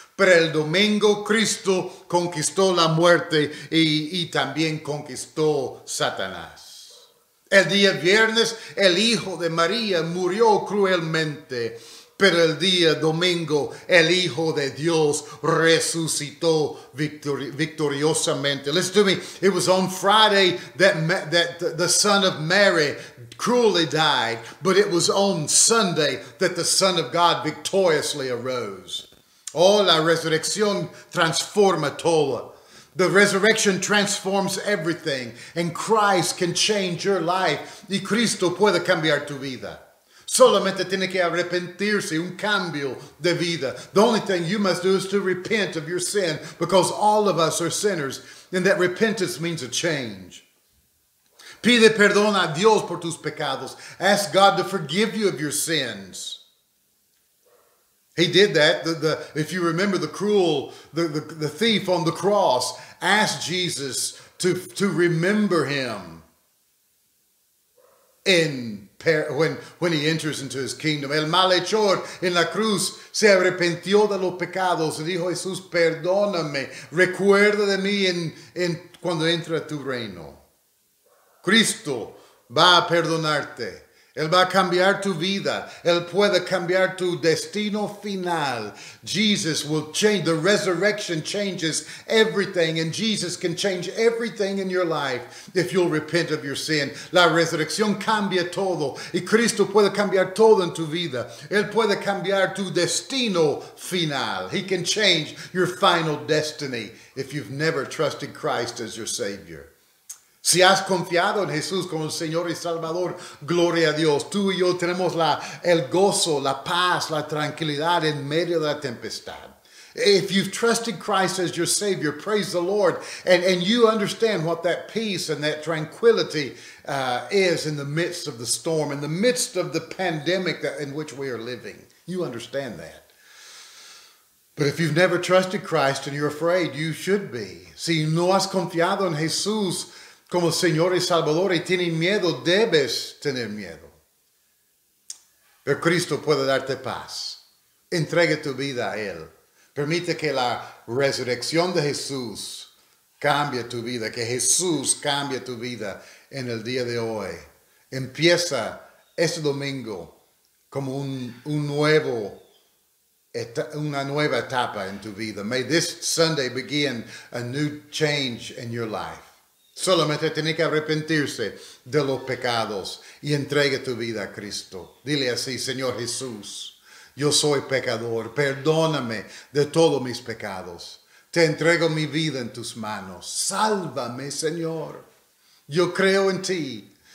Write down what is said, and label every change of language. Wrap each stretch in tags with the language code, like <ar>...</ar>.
<es>Pero el domingo, Cristo conquistó la muerte y también conquistó Satanás. El día viernes, el Hijo de María murió cruelmente, Pero el día domingo, el Hijo de Dios resucitó victoriosamente.</es> <en>Listen to me. It was on Friday that the Son of Mary cruelly died, but it was on Sunday that the Son of God victoriously arose.</en> <es>Oh, la resurrección transforma todo.</es> <en>The resurrection transforms everything, and Christ can change your life.</en> <es>Y Cristo puede cambiar tu vida. Solamente tiene que arrepentirse, un cambio de vida.</es> <en>The only thing you must do is to repent of your sin, because all of us are sinners, and that repentance means a change.</en> <es>Pide perdón a Dios por tus pecados.</es> <en>Ask God to forgive you of your sins. He did that. If you remember the thief on the cross asked Jesus to remember him when he enters into his kingdom.</en> <es>El malhechor en la cruz se arrepintió de los pecados. Dijo Jesús, perdóname. Recuerda de mí en cuando entra tu reino. Cristo va a perdonarte. Él va a cambiar tu vida. Él puede cambiar tu destino final.</es> <en>Jesus will change. The resurrection changes everything. And Jesus can change everything in your life if you'll repent of your sin.</en> <es>La resurrección cambia todo. Y Cristo puede cambiar todo en tu vida. Él puede cambiar tu destino final.</es> <en>He can change your final destiny if you've never trusted Christ as your Savior.</en> <es>Si has confiado en Jesús como el Señor y Salvador, gloria a Dios. Tú y yo tenemos el gozo, la paz, la tranquilidad en medio de la tempestad.</es> <en>If you've trusted Christ as your Savior, praise the Lord. And you understand what that peace and that tranquility is in the midst of the storm, in the midst of the pandemic in which we are living. You understand that. But if you've never trusted Christ and you're afraid, you should be.</en> <es>Si no has confiado en Jesús como Señor y Salvador y tienes miedo, debes tener miedo. Pero Cristo puede darte paz. Entrega tu vida a Él. Permite que la resurrección de Jesús cambie tu vida. Que Jesús cambie tu vida en el día de hoy. Empieza este domingo como una nueva etapa en tu vida.</es> <en>May this Sunday begin a new change in your life.</en> <es>Solamente tiene que arrepentirse de los pecados y entregue tu vida a Cristo. Dile así, Señor Jesús, yo soy pecador. Perdóname de todos mis pecados. Te entrego mi vida en tus manos. Sálvame, Señor. Yo creo en ti.</es>